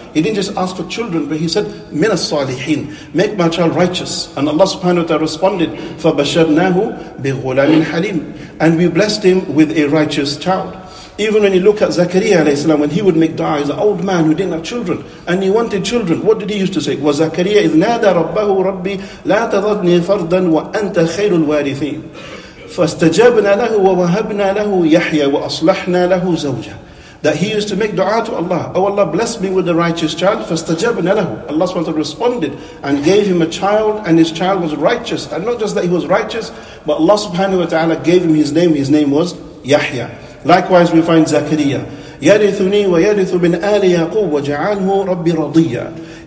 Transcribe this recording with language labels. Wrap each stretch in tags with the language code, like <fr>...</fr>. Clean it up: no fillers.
<en>He didn't just ask for children, but he said,</en> <ar>min as-salihin,</ar> <en>make my child righteous. And Allah subhanahu wa ta'ala responded,</en> <ar>فَبَشَّرْنَاهُ بِغُلَامٍ حَلِيمٍ.</ar> <en>And we blessed him with a righteous child. Even when you look at Zakariya alayhi salam, when he would make dua, he's an old man who didn't have children and he wanted children. What did he used to say?</en> <ar>Was Zakariya إِذْ نَادَى رَبَّهُ رَبِّ لَا تَذَرْنِي فَرْدًا وَأَنْتَ خَيْرُ الْوَارِثِينَ فَاسْتَجَبْنَا لَهُ وَوَهَبْنَا لَهُ يَحْيَى وَأَصْلَحْنَا لَهُ زَوْجًا.</ar> <en>That he used to make dua to Allah. Oh Allah, bless me with a righteous child.</en> <ar>فَاسْتَجَبْنَا لَهُ.</ar> <en>Allah SWT responded and gave him a child, and his child was righteous. And not just that he was righteous, but Allah subhanahu wa ta'ala gave him his name was Yahya. Likewise, we find Zakariya.</en> <ar>يَرِثُنِي وَيَرِثُ مِنْ آلِ يَعْقُوبَ وَجَعَالْهُ رَبِّ رَضِيًّا.</ar>